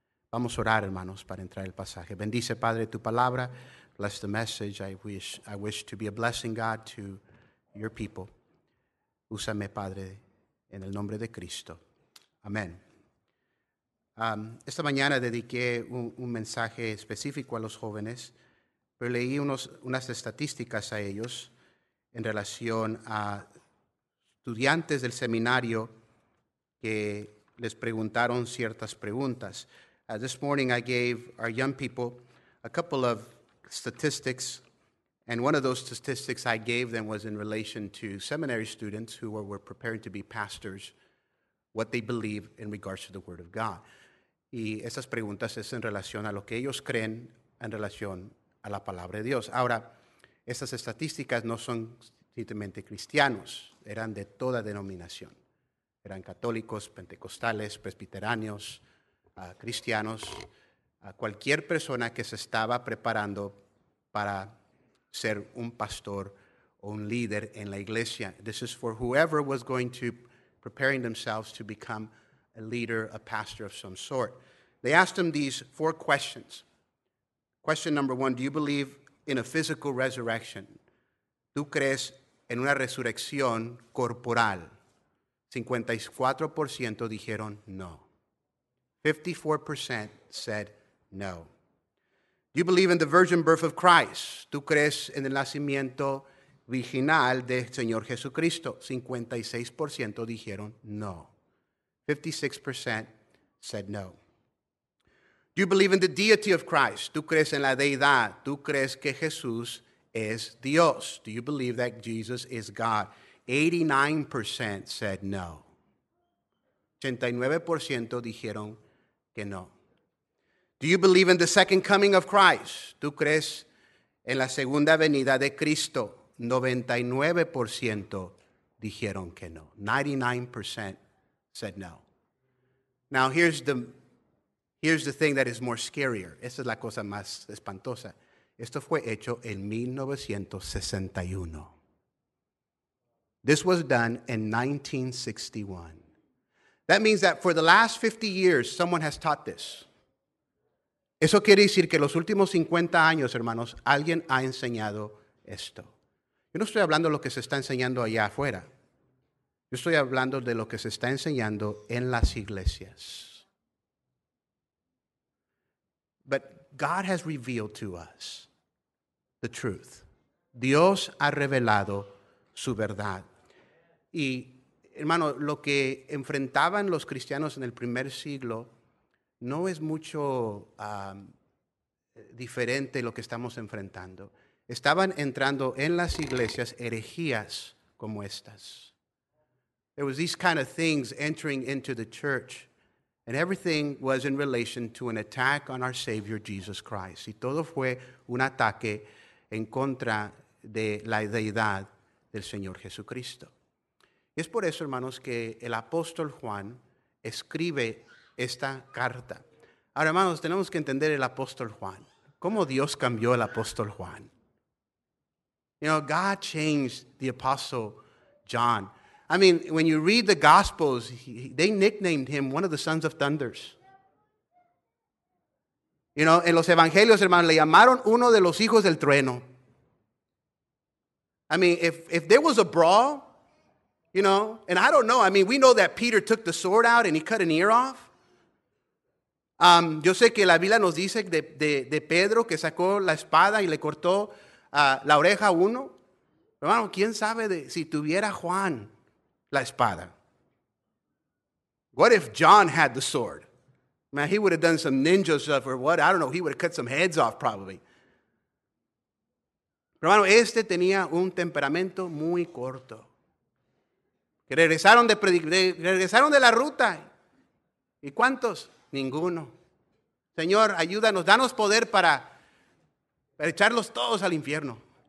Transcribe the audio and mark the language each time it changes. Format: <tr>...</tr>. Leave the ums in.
<es>Vamos a orar, hermanos, para entrar el pasaje. Bendice, Padre, tu palabra.</es> <en>Bless the message. I wish, I wish to be a blessing, God, to your people.</en> <es>Úsame, Padre, en el nombre de Cristo. Amén. Um, esta mañana dediqué un, un mensaje específico a los jóvenes, pero leí unos- unas estadísticas a ellos en relación a estudiantes del seminario que les preguntaron ciertas preguntas.</es> <en>Uh, this morning I gave our young people a couple of statistics, and one of those statistics I gave them was in relation to seminary students who were, were preparing to be pastors, what they believe in regards to the Word of God.</en> <es>Y esas preguntas es en relación a lo que ellos creen en relación a la palabra de Dios. Ahora, estas estadísticas no son simplemente cristianos, eran de toda denominación. Eran católicos, pentecostales, presbiteranos, ah, cristianos, a cualquier persona que se estaba preparando para ser un pastor o un líder en la iglesia.</es> <en>This is for whoever was going to preparing themselves to become a leader, a pastor of some sort. They asked them these four questions. Question number one, do you believe in a physical resurrection?</en> <es>¿Tú crees en una resurrección corporal? 54% dijeron no.</es> <en>54% said no. You believe in the virgin birth of Christ.</en> <es>Tú crees en el nacimiento virginal del Señor Jesucristo. 56% dijeron no.</es> <en>56% said no. You believe in the deity of Christ.</en> <es>Tú crees en la deidad. Tú crees que Jesús es Dios.</es> <en>Do you believe that Jesus is God? 89% said no.</en> <es>89% dijeron que no.</es> <en>Do you believe in the second coming of Christ?</en> <es>¿Tú crees en la segunda venida de Cristo? 99% dijeron que no.</es> <en>99% said no. Now here's the here's the thing that is more scarier.</en> <es>Esa es la cosa más espantosa. Esto fue hecho en 1961.</es> <en>This was done in 1961. That means that for the last 50 years someone has taught this.</en> <es>Eso quiere decir que los últimos 50 años, hermanos, alguien ha enseñado esto. Yo no estoy hablando de lo que se está enseñando allá afuera. Yo estoy hablando de lo que se está enseñando en las iglesias.</es> <en>But God has revealed to us the truth.</en> <es>Dios ha revelado su verdad. Y, hermano, lo que enfrentaban los cristianos en el primer siglo no es mucho um, diferente lo que estamos enfrentando. Estaban entrando en las iglesias herejías como estas.</es> <en>There was these kind of things entering into the church, and everything was in relation to an attack on our Savior Jesus Christ.</en> <es>Y todo fue un ataque en contra de la deidad del Señor Jesucristo. Y es por eso, hermanos, que el apóstol Juan escribe esta carta. Ahora, hermanos, tenemos que entender el apóstol Juan. ¿Cómo Dios cambió el apóstol Juan?</es> <en>You know, God changed the apostle John. I mean, when you read the Gospels, he- they nicknamed him one of the sons of thunders.</en> <es>You know, en los evangelios, hermanos, le llamaron uno de los hijos del trueno.</es> <en>I mean, if, if there was a brawl, you know, and I don't know. I mean, we know that Peter took the sword out and he cut an ear off.</en> <es>Um, yo sé que la Biblia nos dice de, de- de Pedro que sacó la espada y le cortó ah, la oreja a uno. Hermano, ¿quién sabe de- si tuviera Juan la espada?</es> <en>What if John had the sword? Man, he would have done some ninja stuff or what? I don't know. He would have cut some heads off probably.</en> <es>Pero hermano, este tenía un temperamento muy corto. Que regresaron de, predi- de- regresaron de la ruta ¿Y cuántos? Ninguno. Señor, ayúdanos, danos poder para, para echarlos todos al infierno.</es>